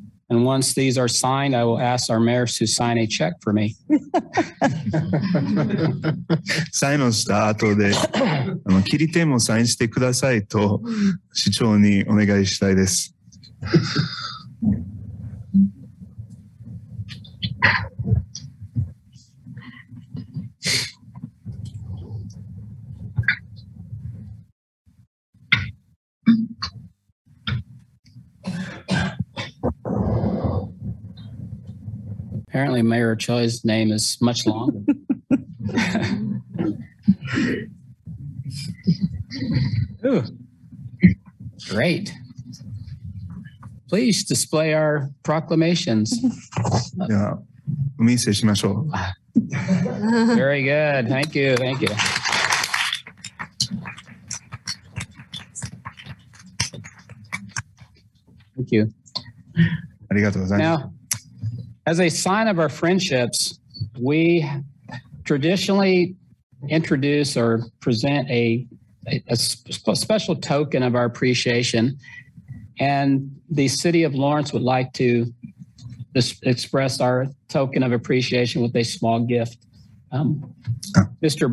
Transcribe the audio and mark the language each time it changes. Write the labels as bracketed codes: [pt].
[en] And once these are signed, I will ask our mayor to sign a check for me. [ja] Sign をした後で、切り手もサインしてくださいと市長にお願いしたいです。 [en] Apparently, Mayor Choi's name is much longer. Ooh, great. Please display our proclamations. [ja] Yeah, お見せしましょう。 [en] Very good. Thank you. Thank you. [ja] ありがとうございます。 [en] Now, as a sign of our friendships, we traditionally introduce or present a special token of our appreciation, and the city of Lawrence would like to express our token of appreciation with a small gift. Mr.